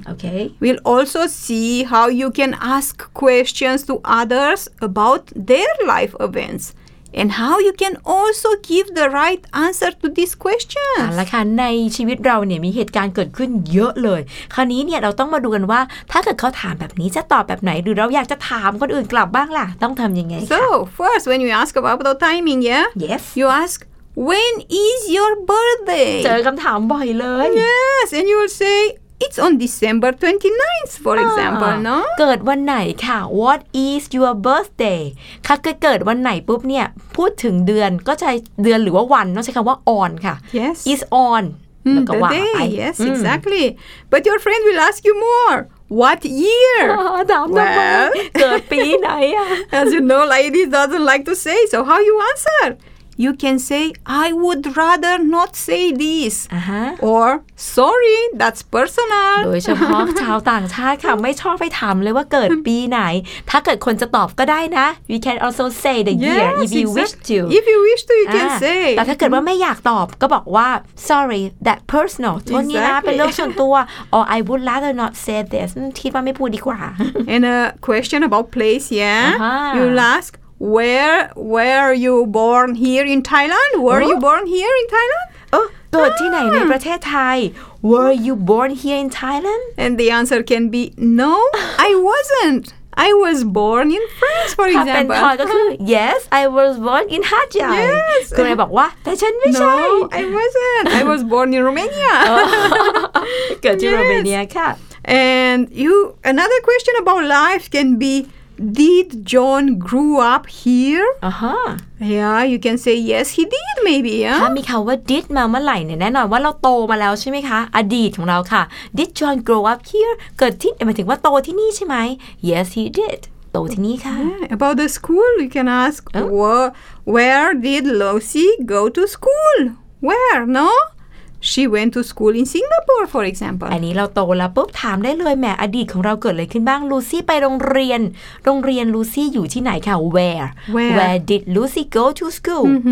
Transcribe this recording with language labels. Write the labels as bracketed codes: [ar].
[en] Okay. We'll also see how you can ask questions to others about their life events and how you can also give the right answer to these questions. [th] เอาละค่ะในชีวิตเราเนี่ยมีเหตุการณ์เกิดขึ้นเยอะเลยคราวนี้เนี่ยเราต้องมาดูกันว่าถ้าเกิดเขาถามแบบนี้จะตอบแบบไหนหรือเราอยากจะถามคนอื่นกลับบ้างล่ะต้องทำยังไง [en] So, first when you ask about the timing, yeah? Yes. You askWhen is your birthday? [th] เจอคำถามบ่อยเลย [en] Yes, and you will say it's on December 29th, for example, no? [th] เกิดวันไหนค่ะ [en] What is your birthday? [th] ค่ะเกิดวันไหนปุ๊บเนี่ยพูดถึงเดือนก็ใช้เดือนหรือว่าวันต้องใช้คำว่า on ค่ะ [en] Yes, is on the day. Yes, exactly. But your friend will ask you more. What year? [th] Well, เกิดปีไหนอะ [en] As you know, lady doesn't like to say. So how you answer? You can say, I would rather not say this. Uh-huh. Or, sorry, that's personal. [th] โดยเฉพาะชาวต่างชาติค่ะไม่ชอบไปถามเลยว่าเกิดปีไหนถ้าเกิดคนจะตอบก็ได้นะ [en] We can also say the year yes, if you exactly. wish to. If you wish to, you can say. [th] แต่ถ้าเกิดว่าไม่อยากตอบก็บอกว่า [en] sorry, that personal. [th] โทษนี้นะเป็นเรื่องส่วนตัว [en] Or, I would rather not say this. [th] คิดว่าไม่พูดดีกว่า [en] And a question about place, yeah? Uh-huh. You'll askWhere are you born here in Thailand? Were you born here in Thailand? Oh, [th] เกิดที่ไหนในประเทศไทย [en] Were you born here in Thailand? And the answer can be no, I wasn't. I was born in France, for example. [th] ถ้าเป็นไทยก็คือ [en] Yes, I was born in Hat Yai. Yes. [th] ก็เลยบอกว่าแต่ฉันไม่ใช่ [en] No, I wasn't. I was born in Romania. [th] เกิดที่โรมาเนียค่ะ [en] And you, another question about life can beDid John grew up here? Uh-huh. Yeah, you can say yes, he did, maybe. [th] ถ้ามีคำว่า did มาเมื่อไหร่เนี่ยแน่นอนว่าเราโตมาแล้วใช่ไหมคะอดีตของเราค่ะ [en] Did John grow up here? [th] เกิดที่หมายถึงว่าโตที่นี่ใช่ไหม [en] Yes, he did. [th] โตที่นี่ค่ะ [en] yeah. About the school, you can ask, where did Lucy go to school? Where, no? She went to school in Singapore, for example. [th] อันนี้เราโตแล้วปุ๊บถามได้เลยแหมอดีตของเราเกิดอะไรขึ้นบ้างลูซี่ไปโรงเรียนโรงเรียนลูซี่อยู่ที่ไหนคะ [en] Where did Lucy go to school?